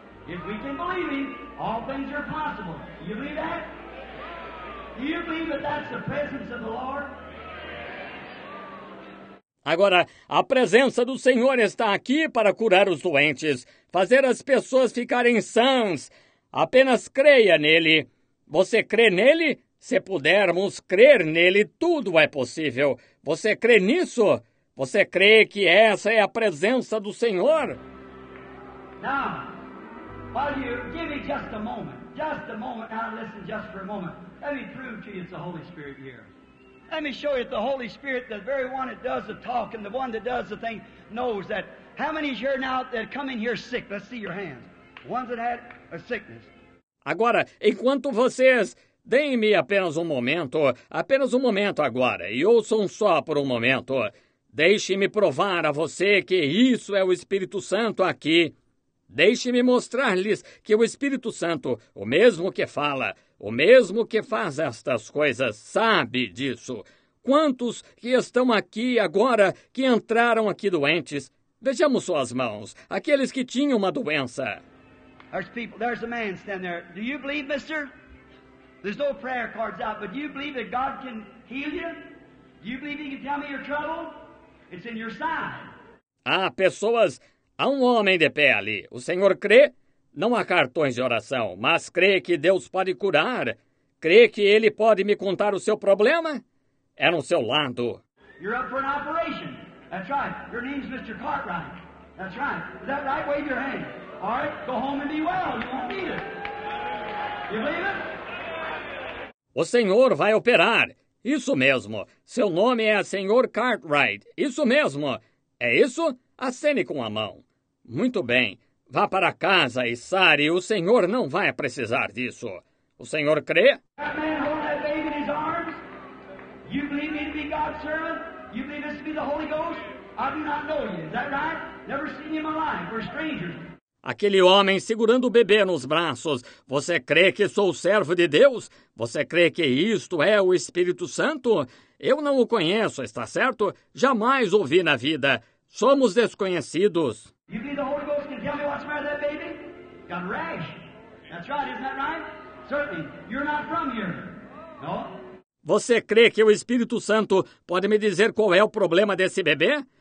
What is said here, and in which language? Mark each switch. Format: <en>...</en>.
<en>If we can believe him, all things are possible. Do you believe that? Do you believe that that's the presence of the Lord?</en> <pt>Agora, a presença do Senhor está aqui para curar os doentes, fazer as pessoas ficarem sãs. Apenas creia nele. Você crê nele? Se pudermos crer nele, tudo é possível. Você crê nisso? Você crê que essa é a presença do Senhor?</pt> <en>Now, while you give me just a moment. Now listen just for a moment. Let me prove to you it's the Holy Spirit here. Let me show you the Holy Spirit, the very one that does the talk and the one that does the thing, knows that. How many here now that come in here sick? Let's see your hands. Ones that had a sickness.</en> <pt>Agora, enquanto vocês... Deem-me apenas um momento agora, e ouçam só por um momento. Deixe-me provar a você que isso é o Espírito Santo aqui. Deixe-me mostrar-lhes que o Espírito Santo, o mesmo que fala, o mesmo que faz estas coisas, sabe disso. Quantos que estão aqui agora, que entraram aqui doentes? Vejamos suas mãos, aqueles que tinham uma doença.</pt> <en>There's a man standing there. Do you believe, mister? There's no prayer cards out, but do you believe that God can heal you? Do you believe he can tell me your trouble? It's in your side.</en> <pt>Ah, pessoas, há um homem de pé ali. O senhor crê? Não há cartões de oração, mas crê que Deus pode curar. Crê que ele pode me contar o seu problema? É no seu lado.</pt> <en>You're up for an operation. That's right. Your name's Mr. Cartwright. That's right. Is that right? Wave your hand. All right, go home and be well. You won't need it. You believe it?</en> <pt>O senhor vai operar. Isso mesmo. Seu nome é Sr. Cartwright. Isso mesmo. É isso? Acene com a mão. Muito bem. Vá para casa e sare. O senhor não vai precisar disso. O senhor crê?</pt> <en>That man holding that baby in his arms? You believe me to be God's servant? You believe this to be the Holy Ghost? I do not know you. Is that right? Never seen you in my life. We're strangers.</en> <pt>Aquele homem segurando o bebê nos braços. Você crê que sou o servo de Deus? Você crê que isto é o Espírito Santo? Eu não o conheço, está certo? Jamais o vi na vida. Somos desconhecidos.</pt> <en>You believe the Holy Ghost can tell me what's wrong with that baby? Got a rash. That's right, isn't that right? Certainly. You're not from here. No?</en> <pt>Você crê que o Espírito Santo pode me dizer qual é o problema desse bebê?</pt>